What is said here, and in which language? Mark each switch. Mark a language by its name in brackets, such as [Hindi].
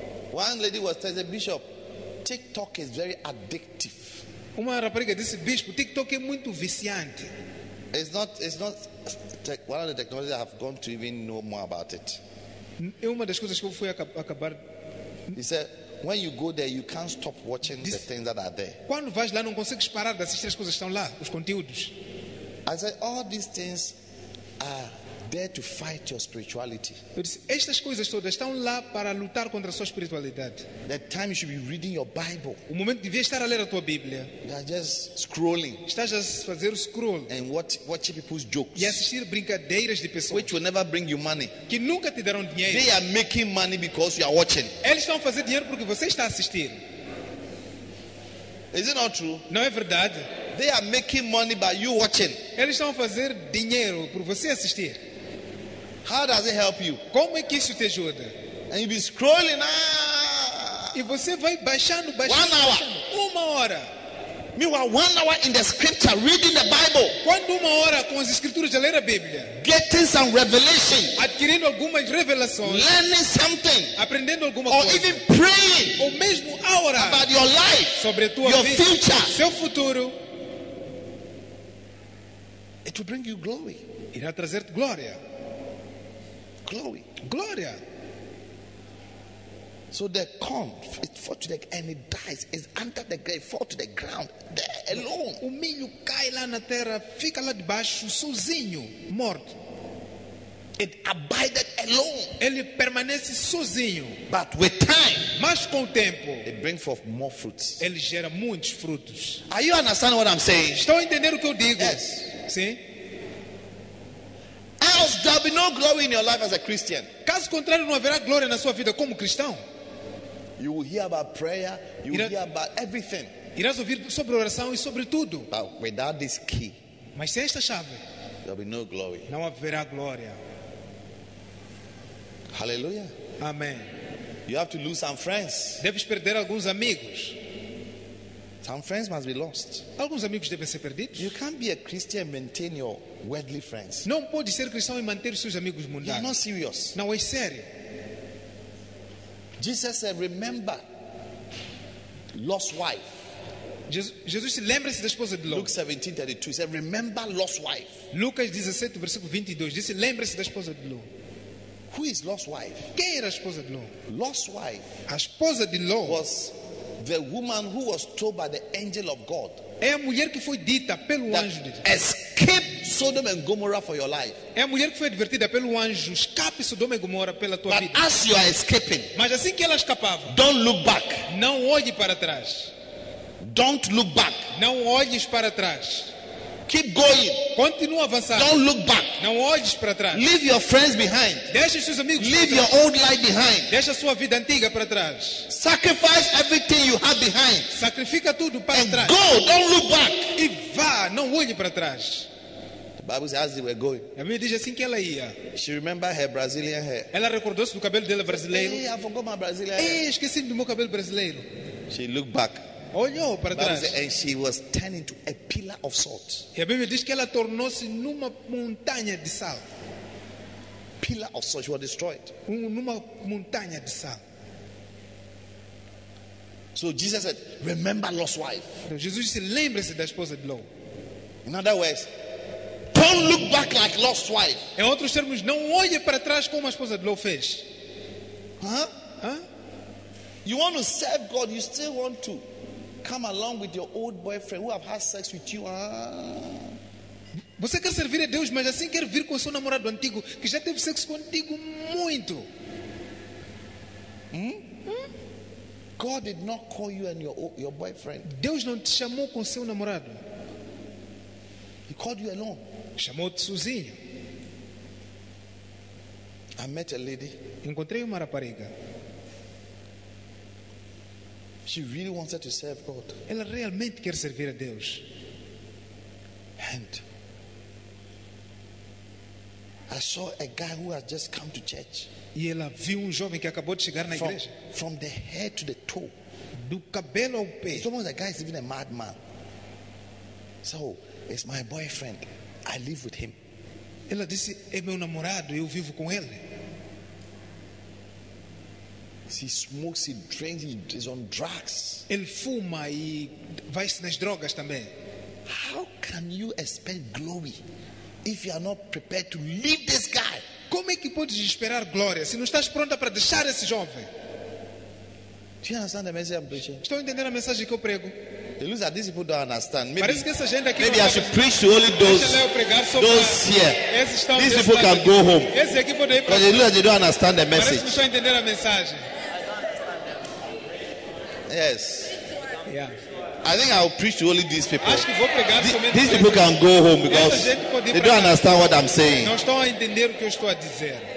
[English] One lady was telling the bishop, TikTok is very addictive. [Portuguese] Uma rapariga disse, bispo, TikTok é muito viciante. [English] It's not tech, one of the technologies I have gone to even know more about it. [Portuguese] É uma das coisas que eu fui acabar. [English] He said, when you go there, you can't stop watching the things that are there. [Portuguese] Quando vais lá, não consegues parar de assistir as coisas que estão lá, os conteúdos. [English] I said, all these things are there to fight your spirituality. [Portuguese] Estas coisas todas estão lá para lutar contra a sua espiritualidade. [English] The time you should be reading your Bible. [Portuguese] O momento devia estar a ler a tua Bíblia. [English] You are just scrolling. [Portuguese] Estás a fazer o scroll. [English] And watching people's jokes. [Portuguese] E assistir brincadeiras de pessoas. [English] Which will never bring you money. [Portuguese] Que nunca te darão dinheiro. [English] They are making money because you are watching. [Portuguese] Eles estão a fazer dinheiro porque você está a assistir. [English] Is it not true? [Portuguese] Não é verdade? [English] They are making money by you watching. [Portuguese] Eles estão a fazer dinheiro por você assistir. [English] How does it help you? [Portuguese] Como é que isso te ajuda? [English] And you be scrolling. [Portuguese] E você vai baixando. [English] 1 hour. [Portuguese] Uma hora. [English] Meanwhile, 1 hour in the scripture, reading the Bible. [Portuguese] Quando uma hora com as escrituras, ler a Bíblia. [English] Getting some revelation. [Portuguese] Adquirindo algumas revelações. [English] Learning something. [Portuguese] Aprendendo alguma [English] or [Portuguese] coisa. [English] Or even praying. [Portuguese] Ou mesmo a orar. [English] About your life. [Portuguese] Sobre a tua [English] your [Portuguese] vida. [English] Your future. [Portuguese] Seu futuro. [English] It will bring you glory. [Portuguese] Irá trazer glória. [English] Glory. [Portuguese] Glória. [English] So the corn, it falls to the and it dies. It's under the grave, falls to the ground. There alone. [Portuguese] O milho cai lá na terra, fica lá debaixo, sozinho, morto. [English] It abided alone. [Portuguese] Ele permanece sozinho. [English] But with time. [Portuguese] Mas com o tempo. [English] It brings forth more fruits. [Portuguese] Ele gera muitos frutos. [English] Are you understanding what I'm saying? [Portuguese] Estão a entender o que eu digo? [English] Yes. [Portuguese] Sim. [English] Else there'll be no glory in your life as a Christian. [Portuguese] Caso contrário, não haverá glória na sua vida como cristão. [English] You will hear about prayer, you will hear about everything. [Portuguese] Irás ouvir sobre oração e sobre tudo. [English] But without this key. [Portuguese] Mas sem esta chave. [English] There'll be no glory. [Portuguese] Não haverá glória. [English] Hallelujah. Amen. You have to lose some friends. [Portuguese] Deves perder alguns amigos. [English] Some friends must be lost. [Portuguese] Alguns amigos devem ser perdidos. [English] You can't be a Christian and maintain your worldly friends. [Portuguese] Não pode ser cristão e manter seus amigos mundanos. [English] You are not serious. [Portuguese] Não é sério. [English] Jesus said, "Remember, lost wife." [Portuguese] Jesus lembra-se da esposa de Ló. [English] Luke 17:32 says, "Remember Lot's wife." [Portuguese] Lucas 17, versículo 22, diz: "Lembra-se da esposa de Ló." [English] Who is Lot's wife? [Portuguese] Quem era a esposa de Ló? [English] Lot's wife. [Portuguese] A esposa de Ló [English] was the woman who was told by the angel of God. [Portuguese] É a mulher que foi dita pelo anjo de Deus. [English] Escape Sodom and Gomorrah for your life. [Portuguese] É a mulher que foi advertida pelo anjo, escape Sodoma e Gomorra pela tua vida. [English] As you are escaping, [Portuguese] mas assim que ela escapava, [English] don't look back. [Portuguese] Não olhe para trás. [English] Don't look back. [Portuguese] Não olhes para trás. [English] Keep going. [Portuguese] Continua avançar. [English] Don't look back. [Portuguese] Não olhes para trás. [English] Leave your friends behind. [Portuguese] Deixa os seus amigos. [English] Leave your old life behind. [Portuguese] Deixa a sua vida antiga para trás. [English] Sacrifice everything you have behind. [Portuguese] Sacrifica tudo para trás. [English] Go. Don't look back. [Portuguese] E vá. Não olhe para trás. [English] The Bible says as they were going. [Portuguese] A Bíblia diz assim que ela ia. [English] She remembered her Brazilian hair. [Portuguese] Ela recordou-se do cabelo dela brasileiro. [English] Hey, I forgot my Brazilian hair. [Portuguese] Hey, esqueci do meu cabelo brasileiro. [English] She looked back. [Portuguese] Olhou para trás. [English] Says, and she was turned into a pillar of salt. [Portuguese] E a Bíblia diz que ela tornou-se numa montanha de sal. [English] Pillar of salt, she was destroyed. [Portuguese] Numa montanha de sal. [English] So Jesus said, "Remember Lot's wife." [Portuguese] Jesus disse, lembre-se da esposa de Ló. [English] In other words, don't look back like Lot's wife. [Portuguese] Em outros termos, não olhe para trás como a esposa de Ló fez. [English] You want to serve God, you still want to come along with your old boyfriend who have had sex with you. [Portuguese] Você quer servir a Deus, mas assim quer vir com o seu namorado antigo que já teve sexo contigo muito. [English] God did not call you and your boyfriend. [Portuguese] Deus não te chamou com seu namorado. [English] He called you alone. [Portuguese] Chamou-te sozinho. [English] I met a lady. [Portuguese] Encontrei uma rapariga. [English] She really wanted to serve God. [Portuguese] Ela realmente quer servir a Deus. [English] And I saw a guy who had just come to church. [Portuguese] E ela viu jovem que acabou de chegar na igreja. [English] From the head to the toe. [Portuguese] Do cabelo ao pé. [English] Some of the guys even a madman. So it's my boyfriend. I live with him. [Portuguese] Ela disse, é meu namorado, eu vivo com ele. [English] He smokes, he drinks, he is on drugs. [Portuguese] Ele fuma e vai-se nas drogas também. [English] How can you expect glory if you are not prepared to leave this guy? [Portuguese] Como é que podes esperar glória se não estás pronta para deixar esse jovem? [English] Do you understand the message I'm preaching? [Portuguese] Estou entendendo a mensagem que eu prego. [English] It looks like these people don't understand. Maybe, [Portuguese] parece que essa gente aqui [English] maybe I should preach to only those here. These people can go home. [Portuguese] Esse aqui pode ir para. [English] But it looks like they don't understand the message. [Portuguese] Parece que estão entendendo a mensagem. [English] Yes. Yeah. I think I'll preach to only these people. [Portuguese] Acho que vou pregar [English] these people can go home because they don't understand what I'm saying. [Portuguese] Não estão a entender o que eu estou a dizer.